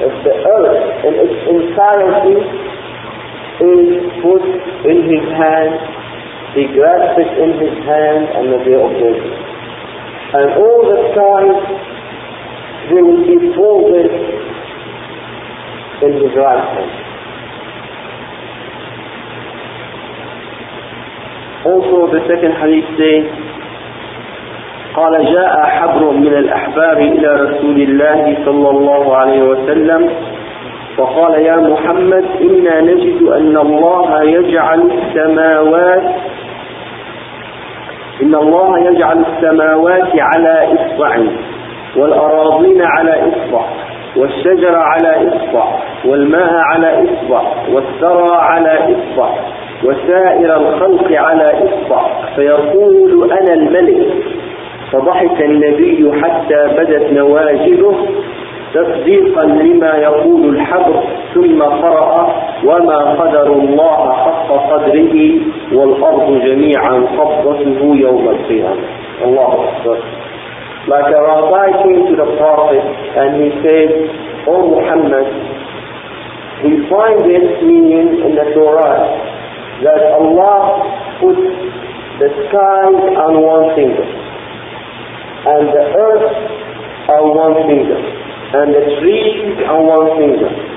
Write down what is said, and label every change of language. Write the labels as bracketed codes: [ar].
[en] If the earth in its entirety is put in his hand, he grasps it in his hand on the day of judgment. And all the stars, they will be folded in his right hand. Also the second hadith says, [ar] قال جاء حبر من الأحبار إلى رسول الله صلى الله عليه وسلم فقال يا محمد إنا نجد أن الله يجعل السماوات إن الله يجعل السماوات على إصبع والأراضين على إصبع والشجر على إصبع والماء على إصبع والثرى على إصبع وسائر الخلق على إصبع فيقول أنا الملك فضحك النبي حتى بدت نواجذه تصديقا لما يقول الحبر ثم قرأ وما قدر الله حق قدره والأرض جميعا قبضته يوم القيامة. الله أكبر. [en] Like a rabbi came to the Prophet and he said, O Muhammad, we find this meaning in the Torah that Allah put the sky on one finger and the earth on one finger and the trees on one finger